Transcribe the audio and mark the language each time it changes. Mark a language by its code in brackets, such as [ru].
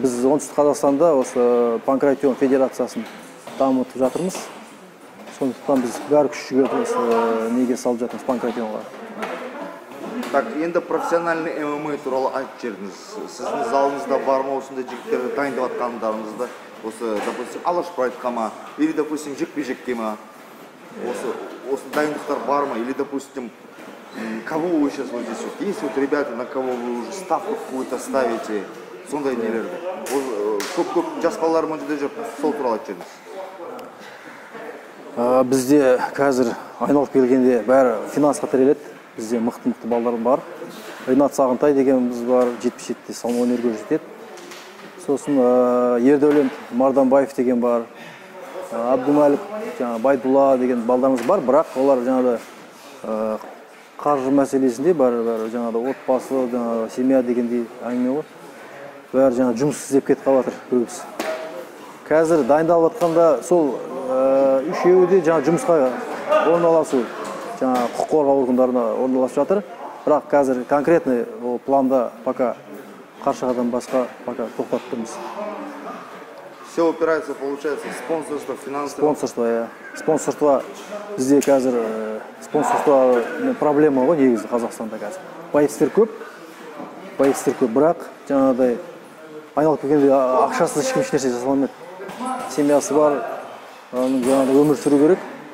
[kk] Біз оңтүстік Қазақстанда осы панкратион федерациясын дамытып жатырмыз. Сондықтан біз бар күш жігеріміз неге салып жатырмыз панкратионға. Так, енді профессиональный ММА туралы айтып жіберіңіз. Сіздің залыңызда бар ма осындай жігіттерді дайындап жатқандарыңызды? [ru] Осы, допустим, Алаш Прайдқа ма, или, допустим, [kk] жекпе-жекке ма, осы дайындықтар бар ма, [ru] или, допустим, кого вы сейчас вот здесь вот, есть вот ребята, на кого вы уже ставку какую-то ставите, [kk] сондай нелерді? Көп-көп жас балалар ма жүрде жоқ, сол туралы айтып жіберіңіз. Бізде қазір айналып келгенде бәрі финансқа тіреледі. Бізде мықты-мықты балалар бар. Ринат Сағынтай дегеніміз бар, 77-те салмақ өнерге жетеді. Сосын Ердәулет Марданбаев деген бар, Абдумәлік Байдулла деген балдарымыз бар, бірақ олар жаңада қаржы мәселесінде бәрі жаңада отбасы, семья дегендей әңгіме бар, бәрі жаңа жұмыс іздеп кетіп қалатыр көбіс. Қазір дайындалып жатқанда сол үшеуі де жаңа жұмысқа орналасу, жаңа құқық қорғау органдарына орналасып жатыр, бірақ қазір конкретный ол планда пока Қаршығадан басқа пока тоқтаттырмыз. [ru] Все упирается, получается, спонсорство, финансы? [kk] Спонсорство, иә. Спонсорство бізде қазір, спонсорство проблема ғой негізі Қазақстанда қазір. Байыстер көп, бірақ жаңағыдай айналып келгенде ақшасыз ешкім ешнәрсе жасай алмайды. Семьясы бар, оның жаңағыдай өмір сүру керек.